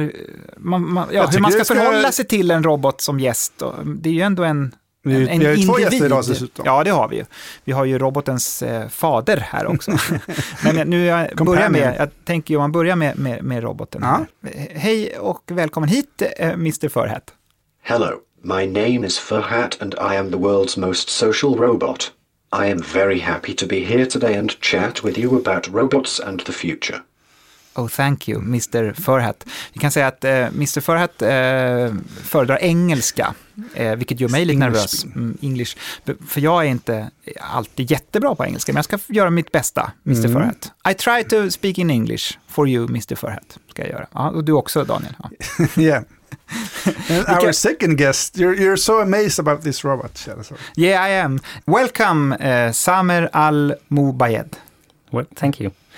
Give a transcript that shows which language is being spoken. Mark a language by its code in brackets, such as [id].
[sv] hur man ska förhålla sig till en robot som gäst. Och det är ju ändå en vi har ju individ. Två gäster idag dessutom. Ja, det har vi ju. Vi har ju robotens fader här också. Men nu börjar med roboten. Ja. Hej och välkommen hit, Mr. Furhat. [en] Hello. My name is Furhat and I am the world's most social robot. I am very happy to be here today and chat with you about robots and the future. Oh, thank you, Mr. Furhat. [sv] Vi kan säga att [en] Mr. [sv] Furhat föredrar engelska, vilket gör mig lite nervös. English. För jag är inte alltid jättebra på engelska, men jag ska göra mitt bästa, Mr. Furhat. [en] I try to speak in English for you, Mr. [sv] Furhat, ska jag göra. Ja, och du också, Daniel. Ja. Yeah. [en] And our second guest, you're so amazed about this robot. Yeah, I am. Welcome, Samer Al-Mubayed. Well, thank you.